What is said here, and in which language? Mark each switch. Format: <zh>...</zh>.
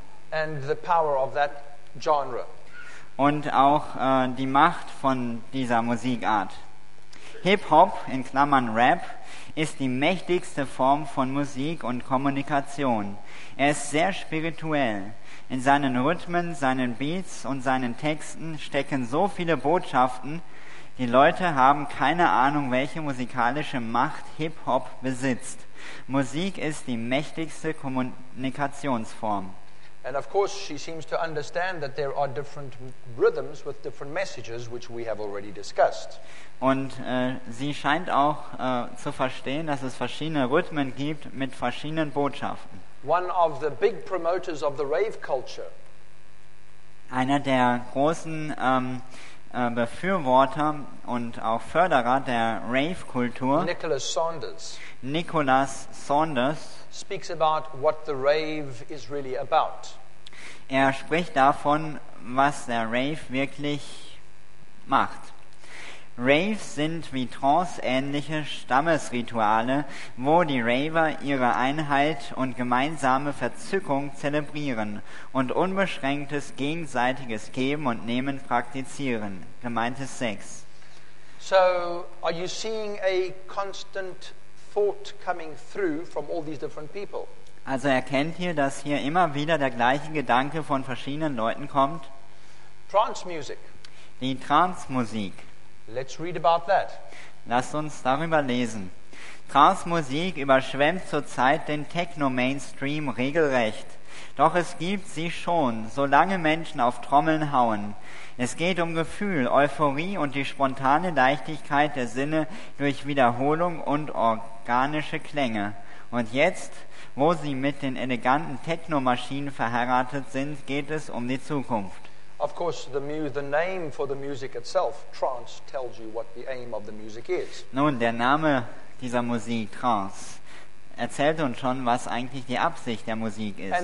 <en>And the power of that genre.</en> <de>Und auch die Macht von dieser Musikart. Hip-Hop, in Klammern Rap, ist die mächtigste Form von Musik und Kommunikation. Er ist sehr spirituell. In seinen Rhythmen, seinen Beats und seinen Texten stecken so viele Botschaften. Die Leute haben keine Ahnung, welche musikalische Macht Hip-Hop besitzt. Musik ist die mächtigste Kommunikationsform.</de> <en>And of course she seems to understand that there are different rhythms with different messages which we have already discussed.</en> <de>Und sie scheint auch zu verstehen, dass es verschiedene Rhythmen gibt mit verschiedenen Botschaften.</de> <en>One of the big promoters of the rave culture.</en> <de>Einer der großen Befürworter und auch Förderer der Rave-Kultur.</de> <en>Nicholas Saunders. Nicholas Saunders speaks about what the rave is really about.</en> <de>Er spricht davon, was der Rave wirklich macht. Raves sind wie Trance-ähnliche Stammesrituale, wo die Raver ihre Einheit und gemeinsame Verzückung zelebrieren und unbeschränktes gegenseitiges Geben und Nehmen praktizieren. Gemeint ist Sex.</de> <en>So, are you seeing a constant thought coming through from all these different people?</en> <de>Also erkennt ihr, dass hier immer wieder der gleiche Gedanke von verschiedenen Leuten kommt?</de> <en>Trance Music.</en> <de>Die Trance-Musik.</de> <en>Let's read about that.</en> <de>Lasst uns darüber lesen. Trance-Musik überschwemmt zurzeit den Techno-Mainstream regelrecht. Doch es gibt sie schon, solange Menschen auf Trommeln hauen. Es geht um Gefühl, Euphorie und die spontane Leichtigkeit der Sinne durch Wiederholung und organische Klänge. Und jetzt, wo sie mit den eleganten Techno-Maschinen verheiratet sind, geht es um die Zukunft.</de> <en>Of course, the name for the music itself, trance, tells you what the aim of the music is.</en> <de>Nun, der Name dieser Musik, Trance, erzählt uns schon, was eigentlich die Absicht der Musik ist.</de>